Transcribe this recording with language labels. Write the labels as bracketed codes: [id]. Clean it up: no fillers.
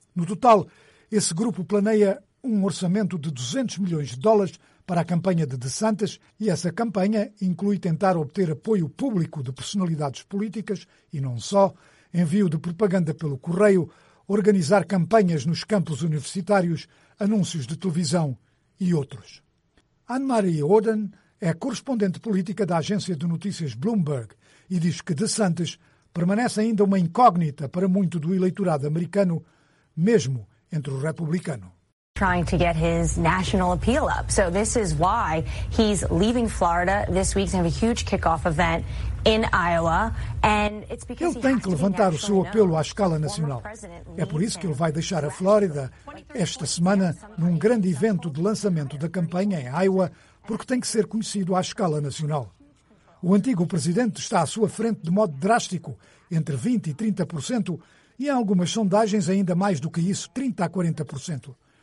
[pt] No total, esse grupo planeia um orçamento de $200 milhões para a campanha de DeSantis e essa campanha inclui tentar obter apoio público de personalidades políticas e não só, envio de propaganda pelo correio, organizar campanhas nos campos universitários, anúncios de televisão e outros. Anne-Marie Oden é correspondente política da agência de notícias Bloomberg e diz que DeSantis permanece ainda uma incógnita para muito do eleitorado americano, mesmo entre o republicano. [en] Trying to get his national appeal up. So this is why he's leaving Florida this week. They have a huge kickoff event in Iowa, and it's because [pt] ele tem que levantar o seu apelo à escala nacional. É por isso que ele vai deixar a Flórida esta semana num grande evento de lançamento da campanha em Iowa, porque tem que ser conhecido à escala nacional. O antigo presidente está à sua frente de modo drástico, entre 20 e 30%, e em algumas sondagens ainda mais do que isso, 30 a 40%.